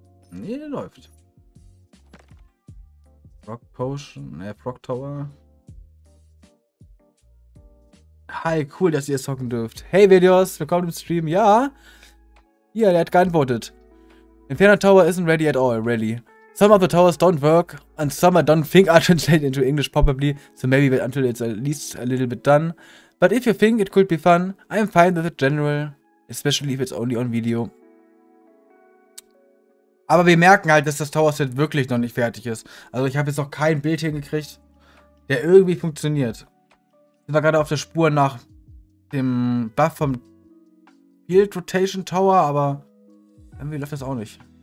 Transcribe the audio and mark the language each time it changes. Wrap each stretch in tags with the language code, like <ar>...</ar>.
<de>Nee, der läuft. Frog Potion, Frog Tower. Hi, cool, dass ihr zocken dürft. Hey, Videos, willkommen im Stream. Ja. Ja, der hat geantwortet.</de> <en>Inferno Tower isn't ready at all, really. Some of the towers don't work, and some I don't think are translated into English probably, so maybe wait until it's at least a little bit done. But if you think it could be fun, I'm fine with it general, especially if it's only on video.</en> <de>Aber wir merken halt, dass das Tower Set wirklich noch nicht fertig ist. Also ich habe jetzt noch kein Bild hingekriegt, der irgendwie funktioniert. Sind wir gerade auf der Spur nach dem Buff vom Field Rotation Tower, aber irgendwie läuft das auch nicht.</de>